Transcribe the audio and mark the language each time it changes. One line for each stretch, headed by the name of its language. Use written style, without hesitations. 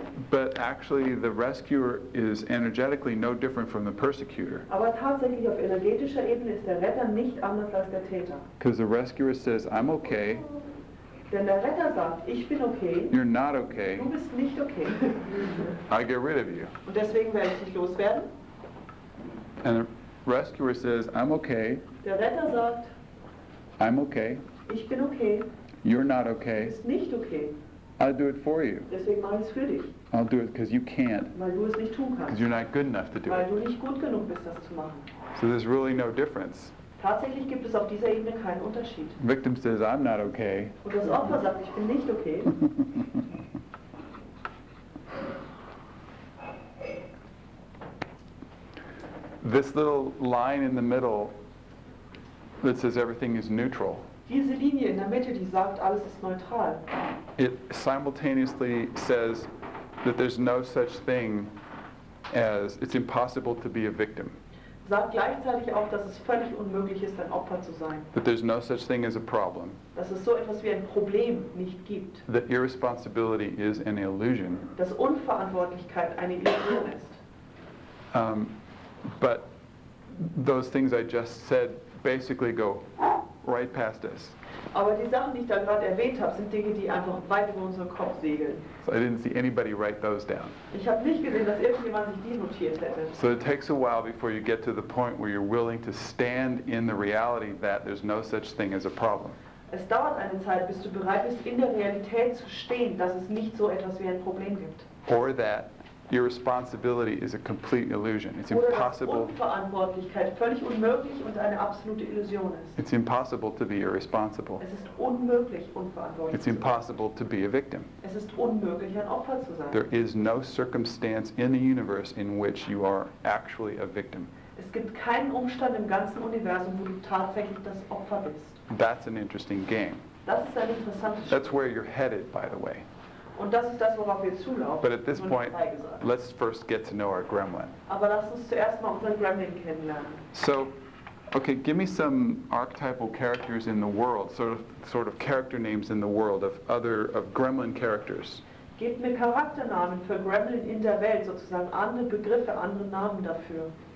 English: But actually, the rescuer is energetically no different from the persecutor.
German: Aber tatsächlich auf energetischer Ebene ist der Retter nicht anders als der Täter.
English: Because the rescuer says, "I'm okay."
German: Denn der Retter sagt, ich bin okay.
English: You're not okay.
German: Du bist nicht okay.
English: I get rid of you.
German: Und deswegen werde ich dich loswerden.
English: And the rescuer says, "I'm okay."
German: Der Retter sagt,
English: I'm okay.
German: Ich bin okay.
English: You're not okay.
German: Ist nicht okay.
English: I'll do it for you.
German: Deswegen mache ich es für dich.
English: I'll do it because you can't.
German: Weil du es nicht tun kannst.
English: Because you're not good enough to do
German: Weil du nicht gut genug bist, das zu machen.
English: So there's really no difference.
German: Tatsächlich gibt es auf dieser Ebene keinen Unterschied.
English: Victim says, I'm not okay.
German: Und das Opfer sagt, ich bin nicht okay.
English: This little line in the middle that says everything is neutral.
German: Diese Linie in der Mitte, die sagt, alles ist neutral.
English: It simultaneously says that there's no such thing as it's impossible to be a victim.
German: Sagt gleichzeitig auch, dass es völlig unmöglich ist, ein Opfer zu sein.
English: That there's no such thing as a problem.
German: Dass es so etwas wie ein Problem nicht gibt.
English: That irresponsibility is an illusion.
German: Dass Unverantwortlichkeit eine Illusion ist.
English: But those things I just said basically go right past us.
German: Aber die Sachen, die ich da gerade erwähnt habe, sind Dinge, die einfach weit über unseren Kopf segeln.
English: So I didn't see anybody write those down.
German: Ich habe nicht gesehen, dass irgendjemand sich die notiert hätte.
English: So it takes a while before you get to the point where you're willing to stand in the reality that there's no such thing as a problem.
German: Es dauert eine Zeit, bis du bereit bist, in der Realität zu stehen, dass es nicht so etwas wie ein Problem gibt.
English: Or that irresponsibility is a complete illusion. It's impossible.
German: Unverantwortlichkeit völlig unmöglich und eine absolute Illusion ist.
English: It's impossible to be irresponsible.
German: Es ist unmöglich, unverantwortlich.
English: It's impossible to be a victim.
German: Es ist unmöglich, ein Opfer zu sein.
English: There is no circumstance in the universe in which you are actually a victim.
German: Es gibt keinen Umstand im ganzen Universum, wo du tatsächlich das Opfer bist.
English: That's an interesting game.
German: Das ist ein interessantes Spiel.
English: That's where you're headed, by the way.
German: Und das ist das, worauf wir zulaufen.
English: But at this point, let's first get to know our gremlin.
German: Aber lass uns zuerst mal unseren Gremlin kennenlernen.
English: So, okay, give me some archetypal characters in the world, sort of character names in the world of gremlin characters.
German: Gib mir Charakternamen für Gremlin in der Welt, sozusagen andere Begriffe, andere Namen dafür.